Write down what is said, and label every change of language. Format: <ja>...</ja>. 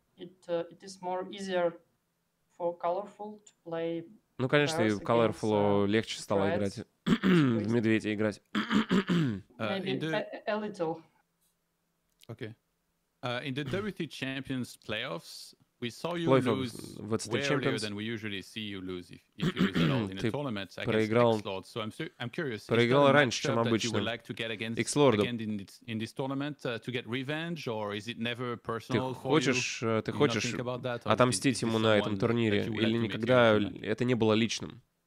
<en>It is more easier for Colorful to play.</en> <ru>Ну, конечно, и Colorful легче стало играть в медведя играть.</ru> <en>Maybe a little. Okay. In the WT Champions playoffs, we saw you lose way earlier than we usually see you lose if you lose at all in a tournament against X-Lord. So I'm curious.</en> <ru>Проиграл раньше, чем обычно.</ru> <en>Like to get against X-Lord in this tournament to get revenge, or is it never personal for you?</en> <ru>Ты хочешь отомстить ему на этом турнире, или никогда это не было личным?</ru>